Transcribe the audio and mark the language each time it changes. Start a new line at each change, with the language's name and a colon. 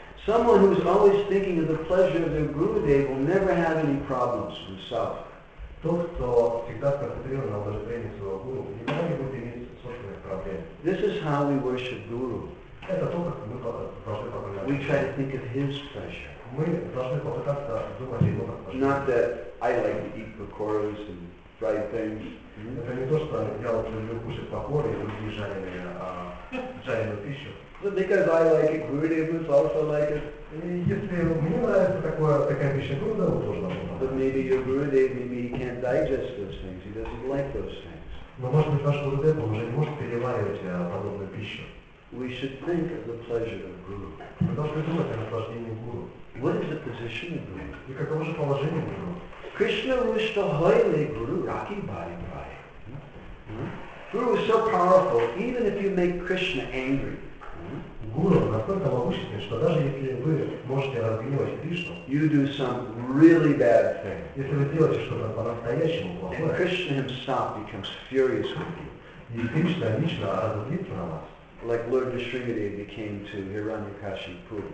English: Someone who is always thinking of the pleasure of their gurudev will never have any problems with self.
Russian: Тот, кто всегда концентрирован на благодарении своего гуру, никогда не будет иметь собственных проблем.
English: This is how we worship guru.
Russian: Это то, как мы должны поклоняться.
English: We try to think of his pleasure.
Russian: Мы должны попытаться думать о его пожелании.
English: Not that I like to eat pakoras and fried things.
Russian: Это не то, что я люблю кушать покоры и другие жареные пищу.
English: But because I like it, Gurudev must also like it.
Russian: Если мне нравится такая пища, Гурудеву тоже надо.
English: But maybe your Gurudev, maybe he can't digest those things. He doesn't like those things.
Russian: Но может быть ваш Гурудев уже не может переваривать подобную пищу.
English: We should think of the pleasure of Guru.
Russian: Мы должны думать о наслаждении Гуру.
English: What is the position of Guru?
Russian: И каково же положение Гуру? Krishna wished to hoyle Guru Raki Bhai Bhai.
English: Guru is so powerful, even if you make Krishna angry.
Russian: Guru настолько могущественен, что даже если вы можете разгневать Кришну,
English: you do some really bad thing.
Russian: Если вы делаете что-то по-настоящему плохое,
English: and Krishna himself becomes furious with you.
Russian: И Кришна лично разозлится на вас.
English: Like Lord Vishringadeva became to Hiranyakashipu.